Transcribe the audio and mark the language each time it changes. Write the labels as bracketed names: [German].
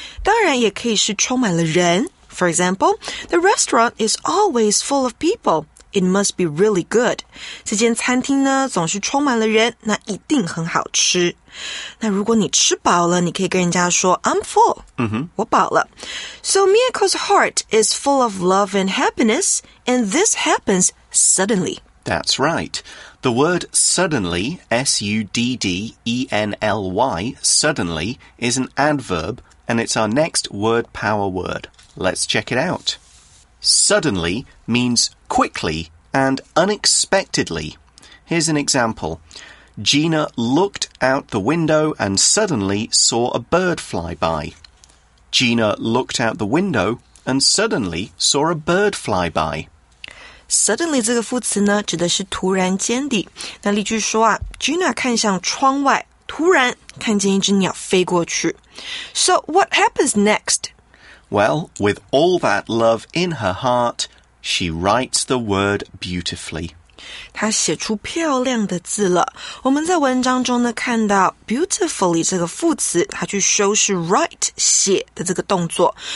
[Chinese] 当然也可以是充满了人。 [English] For example, the restaurant is always full of people. It must be really good. [Chinese] 这间餐厅呢总是充满了人，那一定很好吃。那如果你吃饱了，你可以跟人家说 [English] I'm full、 mm-hmm. [Chinese] 我饱了。 [English] So Mieko's heart is full of love and happiness, and this happens suddenly. That's right. The word suddenly, S-U-D-D-E-N-L-Y, suddenly, is an adverb, and it's our next word power word. Let's check it out. Suddenly means quickly and unexpectedly. Here's an example. Gina looked out the window and suddenly saw a bird fly by. Gina looked out the window and suddenly saw a bird fly by. [Chinese] Suddenly 这个副词呢指的是突然间的。那例句说啊， Gina 看向窗外，突然看见一只鸟飞过去。 [English] So what happens next? Well, with all that love in her heart, she writes the word beautifully. [Chinese] 她写出漂亮的字了。我们在文章中呢看到 beautifully 这个副词，它去修饰 write 写的这个动作。